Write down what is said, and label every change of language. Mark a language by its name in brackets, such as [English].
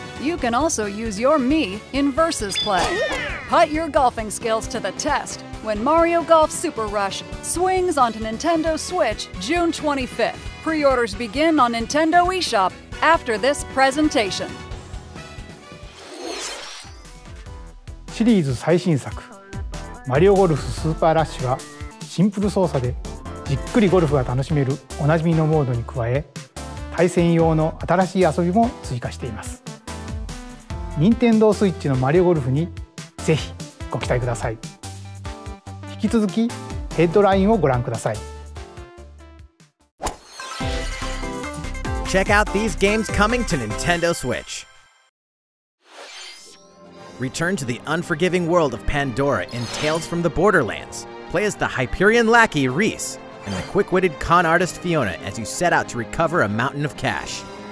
[English] You can also use your me in versus play. Put your golfing skills to the test when Mario Golf Super Rush swings onto Nintendo Switch June 25th. Pre-orders begin on Nintendo eShop after this presentation. [Japanese] シリーズ最新作、マリオゴルフスーパーラッシュはシンプル操作でじっくりゴルフが楽しめるおなじみのモードに加え、対戦用の新しい遊びも追加しています。任天堂スイッチのマリオゴルフにぜひご期待ください。引き続きヘッドラインをご覧ください。 [English] Check out these games coming to Nintendo Switch. Return to the unforgiving world of Pandora in Tales from the Borderlands. Play as the Hyperion lackey, Reese, and the quick-witted con artist, Fiona, as you set out to recover a mountain of cash.